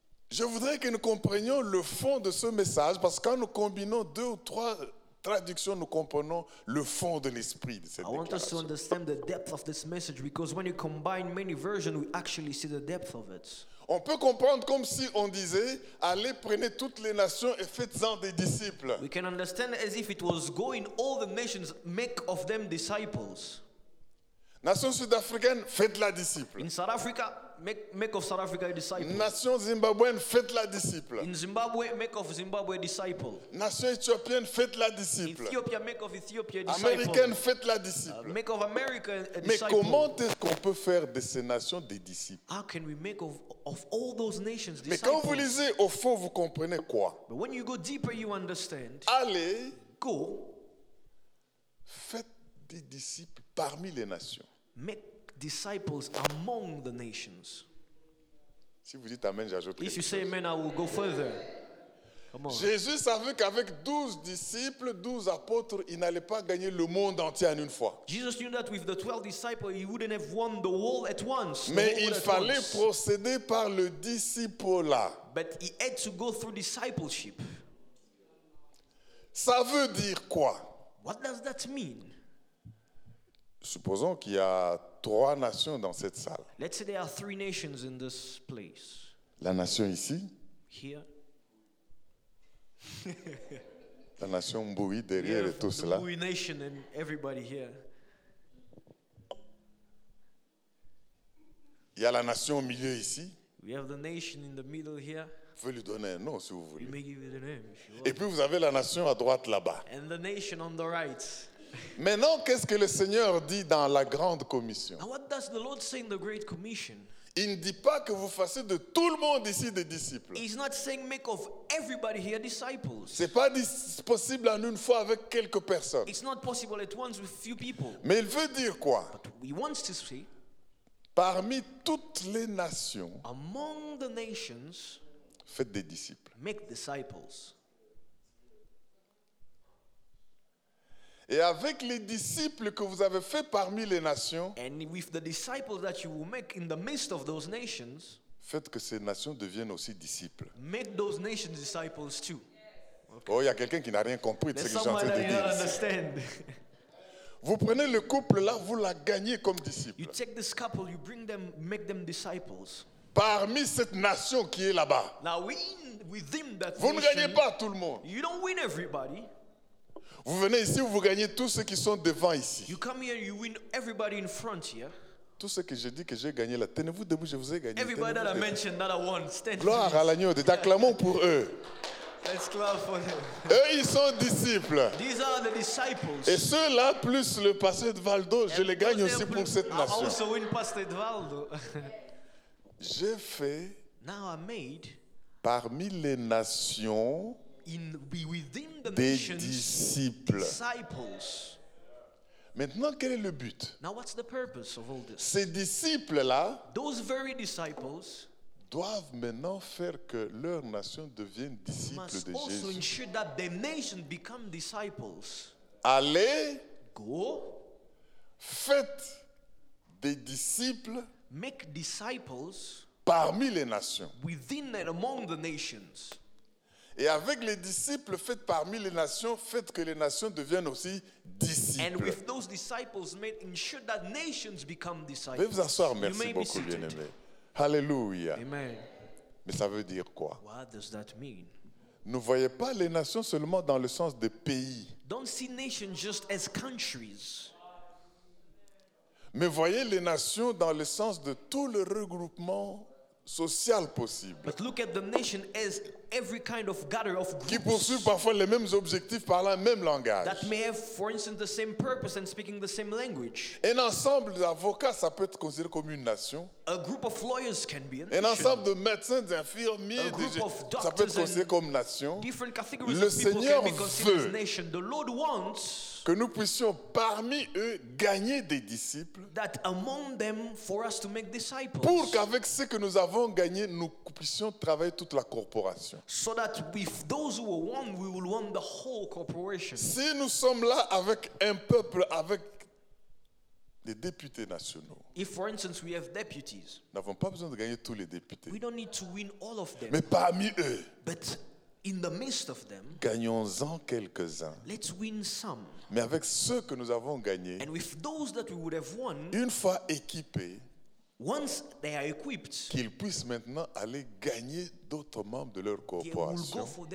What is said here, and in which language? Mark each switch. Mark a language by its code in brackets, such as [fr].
[fr] Je voudrais que nous comprenions le fond de ce message parce que quand nous combinons deux ou trois traductions, nous comprenons le fond de l'esprit de cette déclaration. [en] I want us to understand the depth of this message because when you combine many versions, we actually see the depth of it. [fr] On peut comprendre comme si on disait, allez, prenez toutes les nations et faites-en des disciples. [en] We can understand as if it was going all the nations, make of them disciples. [fr] Nation sud-africaine, faites-la disciple. [en] In South Africa, make of South Africa a disciple. [fr] Nation zimbabwéenne, faites-la disciple. [en] In Zimbabwe, make of Zimbabwe a disciple. [fr] Nation éthiopienne, faites-la disciple. [en] Ethiopia, make of Ethiopia a disciple. [fr] Américaine, faites-la disciple. [en] Make of America a disciple. [fr] Mais comment est-ce qu'on peut faire de ces nations des disciples? [en] How can we make of all those nations disciples? [fr] Mais quand vous lisez au fond, vous comprenez quoi? [en] But when you go deeper, you understand. [fr] Allez. [en] Go. [fr] Faites des disciples parmi les nations. [en] Make disciples among the nations. [fr] Si vous dites amen, j'ajouterai. [en] If you say amen, I will go further. Come on. [fr] Jésus savait qu'avec 12 disciples, 12 apôtres, il n'allait pas gagner le monde entier en une fois. [en] Jesus knew that with the 12 disciples, he wouldn't have won the world at once. [fr] Mais il fallait procéder par le discipulat. [en] But he had to go through discipleship. [fr] Ça veut dire quoi? [en] What does that mean? [fr] Supposons qu'il y a trois nations dans cette salle. [en] Let's say there are three nations in this place. [fr] La nation ici. [en] Here. [fr] La nation Mboui derrière et tout cela. [en] The Mboui nation and everybody here. [fr] Il y a la nation au milieu ici. [en] We have the nation in the middle here. [fr] Vous pouvez lui donner un nom si vous voulez. [en] You may give it a name if you want. [fr] Et puis vous avez la nation à droite là-bas. [en] And the nation on the right. [fr] Maintenant, qu'est-ce que le Seigneur dit dans la grande commission? [en] Now, what does the Lord say in the great commission? [fr] Il ne dit pas que vous fassiez de tout le monde ici des disciples. [en] He's not saying make of everybody here disciples. [fr] C'est pas possible en une fois avec quelques personnes. [en] It's not possible at once with few people. [fr] Mais il veut dire quoi? [en] But he wants to say, [fr] parmi toutes les nations, [en] among the nations, [fr] faites des disciples. [en] Make disciples. [fr] Et avec les disciples que vous avez faits parmi les nations, [en] and with the disciples that you will make in the midst of those nations, [fr] faites que ces nations deviennent aussi disciples. [en] Make those nations disciples too. Okay. [fr] Oh, il y a quelqu'un qui n'a rien compris de ce que je suis en train de dire. [en] Understand. [fr] Vous prenez le couple là, vous la gagnez comme disciple. [en] You take this couple, you bring them, make them disciples. [fr] Parmi cette nation qui est là-bas. [en] Now in, within that [fr] vous [en] nation, [fr] ne gagnez pas tout le monde. [en] You don't win everybody. [fr] Vous venez ici où vous gagnez tous ceux qui sont devant ici. [en] You come here, you win everybody in front here. [fr] Tout ce que j'ai dit que j'ai gagné là, tenez-vous debout, je vous ai gagné. [en] Everybody [fr] tenez-vous [en] that I mentioned that I won, stand. [fr] Gloire à l'agneau, yeah. Acclamons pour eux. [en] Let's clap for them. [fr] Eux, ils sont disciples. [en] These are the disciples. [fr] Et ceux-là, plus le pasteur Edvaldo, je les gagne aussi pour cette nation. [en] I also win Pastor Edvaldo. [fr] J'ai fait. [en] Now I made. [fr] Parmi les nations. [en] In, within the [fr] des [en] nations, [fr] disciples. [en] Disciples. [fr] Maintenant, quel est le but? [en] Now, what's the purpose of all this? [fr] Ces disciples-là, [en] those very disciples, [fr] doivent maintenant faire que leur nation devienne disciples de Jésus. [en] Must also ensure that their nation become disciples. [fr] Allez, [en] go, [fr] faites des disciples. [en] Make disciples [fr] parmi les nations. [en] Within and among the nations. [fr] Et avec les disciples faits parmi les nations, faites que les nations deviennent aussi disciples. [en] And with those disciples made, ensure that nations become disciples. [fr] Veuillez vous asseoir, merci beaucoup, bien-aimé. Hallelujah. [en] Amen. [fr] Mais ça veut dire quoi? [en] What does that mean? [fr] Ne voyez pas les nations seulement dans le sens des pays. [en] Don't see nations just as countries. [fr] Mais voyez les nations dans le sens de tout le regroupement social possible. [en] But look at the nation as every kind of gather of groups. [fr] Qui poursuivent parfois les mêmes objectifs parlant un même langage. [en] That may have, for instance, the same purpose and speaking the same language. [fr] Un ensemble d'avocats, ça peut être considéré comme une nation. [en] A group of lawyers can be a nation. [fr] Un ensemble de médecins, d'infirmiers, ça peut être considéré comme nation. [en] Different categories of people can be considered as nation. The Lord wants [fr] que nous puissions parmi eux gagner des disciples. [en] That among them for us to make disciples. [fr] Pour qu'avec ce que nous avons gagné, nous puissions travailler toute la corporation. [en] So that with those who are one, we will want the whole corporation. [fr] Si nous sommes là avec un peuple, avec des députés nationaux. [en] If, for instance, we have deputies. [fr] Nous n'avons pas besoin de gagner tous les députés. [en] We don't need to win all of them. [fr] Mais parmi eux. [en] But in the midst of them. [fr] Gagnons-en quelques-uns. [en] Let's win some. [fr] Mais avec ceux que nous avons gagnés. [en] And with those that we would have won. [fr] Une fois équipés. [en] Once they are equipped, [fr] qu'ils puissent maintenant aller gagner d'autres membres de leur corporation.